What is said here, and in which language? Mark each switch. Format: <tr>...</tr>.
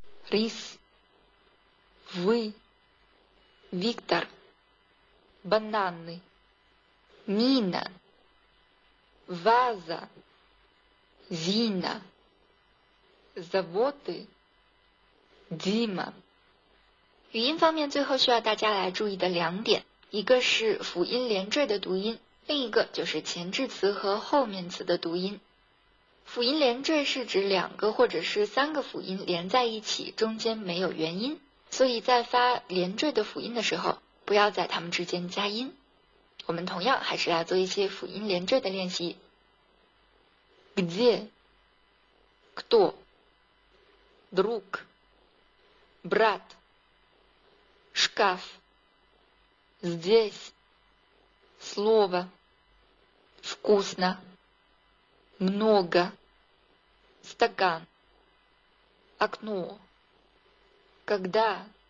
<ru>Рис, вы, Виктор, бананы, Нина, ваза, Зина, заводы, Дима。</ru> <zh>语音方面，最后需要大家来注意的两点，一个是辅音连缀的读音，另一个就是前置词和后面词的读音。辅音连缀是指两个或者是三个辅音连在一起，中间没有元音，所以在发连缀的辅音的时候，不要在它们之间加音。我们同样还是来做一些辅音连缀的练习。</zh> <ru>где кто друг брат шкаф здесь слово вкусно много стакан, окно, когда,</ru>